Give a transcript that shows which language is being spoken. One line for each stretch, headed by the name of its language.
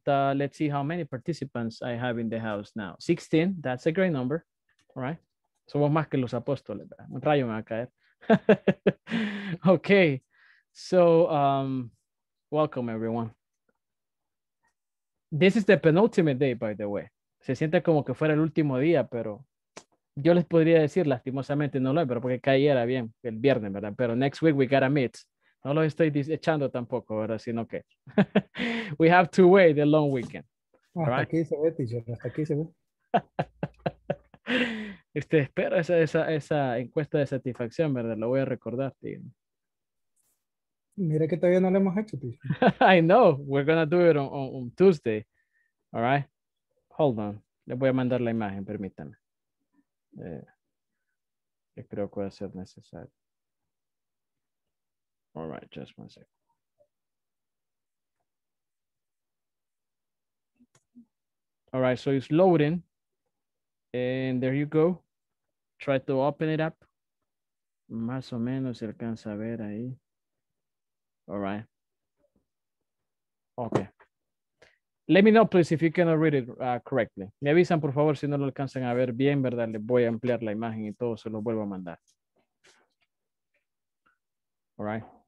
English: Let's see how many participants I have in the house now. 16, that's a great number, all right?
Spanish: Somos más que los apóstoles, ¿verdad? Un rayo me va a caer.
English: Okay, so welcome everyone. This is the penultimate day, by the way.
Spanish: Se siente como que fuera el último día, pero yo les podría decir, lastimosamente no lo es, pero porque cayera bien el viernes, ¿verdad? Pero
English: next week we gotta meet.
Spanish: No lo estoy echando tampoco, ¿verdad? Sino que
English: we have to wait the long weekend.
Spanish: Hasta right? Aquí se ve, teacher. Hasta aquí se ve. espero esa encuesta de satisfacción, ¿verdad? Lo voy a recordar, tío. Mira que todavía no lo hemos hecho, tío.
English: I know. We're gonna do it on Tuesday. All right. Hold on,
Spanish: le voy a mandar la imagen, permítanme. Creo que va a ser necesario.
English: All right, just one second. All right, so it's loading. And there you go. Try to open it up.
Spanish: Más o menos se alcanza a ver ahí.
English: All right. Okay. Let me know, please, if you cannot read it correctly.
Spanish: Me avisan, por favor, si no lo alcanzan a ver bien, ¿verdad? Les voy a ampliar la imagen y todo, se lo vuelvo a mandar. All right.